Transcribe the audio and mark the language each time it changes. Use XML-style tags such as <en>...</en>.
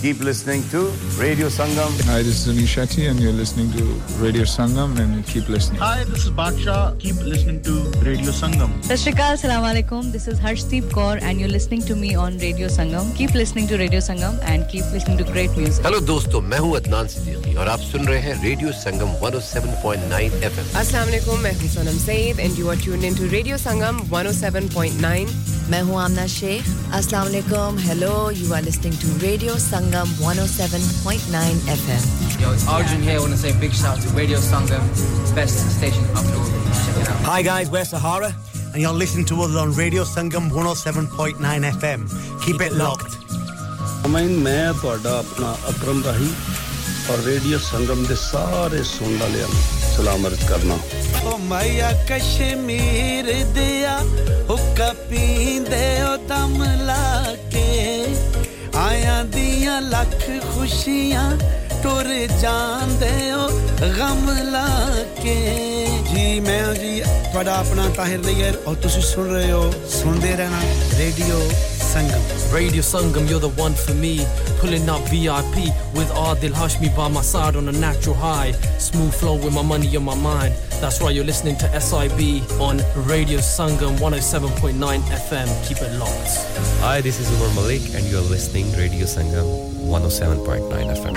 <en>Keep listening to Radio Sangam. Hi, this is Anish Shetty and you're listening to Radio Sangam and keep listening. Hi, this is Baksha. Keep listening to Radio Sangam. Sat Sri Akal, Assalamu Alaikum. This is Harshdeep Kaur and you're listening to me on Radio Sangam. Keep listening to Radio Sangam and keep listening to great music. Hello, dosto.</en> <hi>मैं हूं अदनान सिद्दीकी और आप सुन रहे हैं radio संगम 107.9 FM.</hi> <en>अस्सलाम वालेकुम</en> <hi>मैं हूं</hi> <en>Sonam Saeed and you are tuned into radio Sangam 107.9.</en> <hi>मैं हूं आमना शेख. अस्सलाम वालेकुम.</hi> <en>Hello, you are listening to radio Sangam 107.9 FM. Yo, it's Arjun here. Want to say big shout to radio Sangam, best station of the world. Hi guys, we're Sahara and you are listening to us on radio Sangam 107.9 FM. Keep it locked.</en> <pa>ਮੈਂ ਮੈਂ ਤੁਹਾਡਾ ਆਪਣਾ ਅਕਰਮ ਰਾਹੀ ਔਰ radio ਸੰਗਮ ਦੇ ਸਾਰੇ ਸੁਣਨ ਵਾਲਿਆਂ ਨੂੰ ਸਲਾਮ ਅਰਜ਼ ਕਰਨਾ ਓ ਮਾਇਆ ਕਸ਼ਮੀਰ ਦਿਆ ਹੁੱਕਾ ਪੀਂਦੇ ਓ ਦਮ ਲਾ ਕੇ ਆਇਆਂ ਦੀਆਂ ਲੱਖ ਖੁਸ਼ੀਆਂ ਟੁਰ ਜਾਂਦੇ ਓ ਗਮ ਲਾ ਕੇ ਜੀ ਮੈਂ ਜੀ ਤੁਹਾਡਾ ਆਪਣਾ ਤਾਹਿਰ ਨਈਅਰ ਔਰ ਤੁਸੀਂ ਸੁਣ ਰਹੇ ਹੋ ਸੁਣਦੇ ਰਹਿਣਾ radio Sangam</pa> <en>Radio Sangam, you're the one for me. Pulling up VIP with Adil Hashmi by my side on a natural high. Smooth flow with my money in my mind. That's right, you're listening to SIB on Radio Sangam 107.9 FM. Keep it locked. Hi, this is Umar Malik and you're listening to Radio Sangam 107.9 FM.</en>